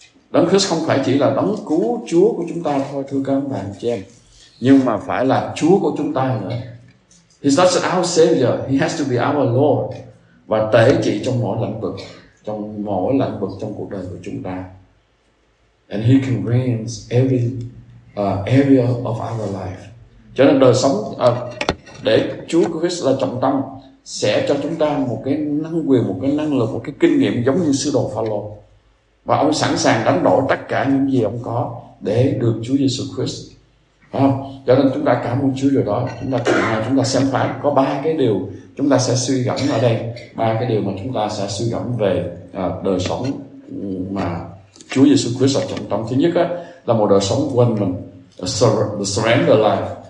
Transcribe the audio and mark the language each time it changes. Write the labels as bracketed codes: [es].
[vi] Đấng Christ không phải chỉ là đấng cứu Chúa của chúng ta thôi, thưa các bạn chị em, nhưng mà phải là Chúa của chúng ta nữa. [en] He's not just our Savior, He has to be our Lord, [vi] và tể trị trong mọi lĩnh vực, trong mỗi lĩnh vực trong cuộc đời của chúng ta. [en] And He can reign every area of our life. [vi] Cho nên đời sống để Chúa Christ là trọng tâm sẽ cho chúng ta một cái năng quyền, một cái năng lực, một cái kinh nghiệm giống như sứ đồ Phaolô. Và ông sẵn sàng đánh đổi tất cả những gì ông có để được Chúa Giêsu Christ. Phải không? Cho nên chúng ta cảm ơn Chúa rồi đó. Chúng ta cùng nhau chúng ta xem phán có ba cái điều chúng ta sẽ suy gẫm ở đây, ba cái điều mà chúng ta sẽ suy gẫm về đời sống mà Chúa Giêsu Christ là trọng tâm. Thứ nhất á, là một đời sống quên mình, [en] the surrender life.